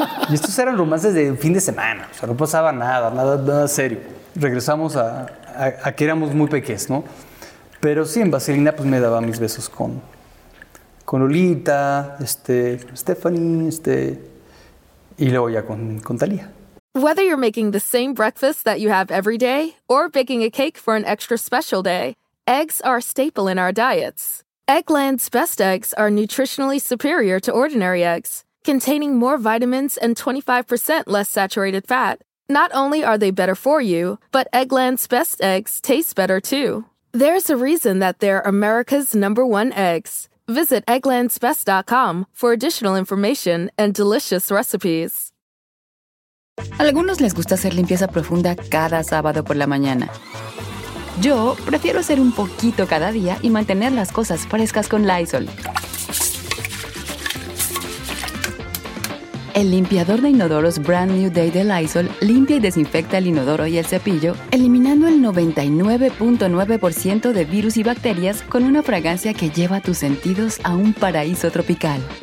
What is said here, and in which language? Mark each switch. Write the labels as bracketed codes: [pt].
[es] Y estos eran romances de fin de semana. O sea, no pasaba nada serio. Regresamos a que éramos muy pequeños, ¿no? Pero sí, en Vaselina pues me daba mis besos con Lolita, Stephanie, y luego ya con Talía. [en] Whether you're making the same breakfast that you have every day or baking a cake for an extra special day, eggs are a staple in our diets. Eggland's Best eggs are nutritionally superior to ordinary eggs, containing more vitamins and 25% less saturated fat. Not only are they better for you, but Eggland's Best eggs taste better too. There's a reason that they're America's number one eggs. Visit egglandsbest.com for additional information and delicious recipes. [es] Algunos les gusta hacer limpieza profunda cada sábado por la mañana. Yo prefiero hacer un poquito cada día y mantener las cosas frescas con Lysol. El limpiador de inodoros Brand New Day de Lysol limpia y desinfecta el inodoro y el cepillo, eliminando el 99.9% de virus y bacterias con una fragancia que lleva tus sentidos a un paraíso tropical.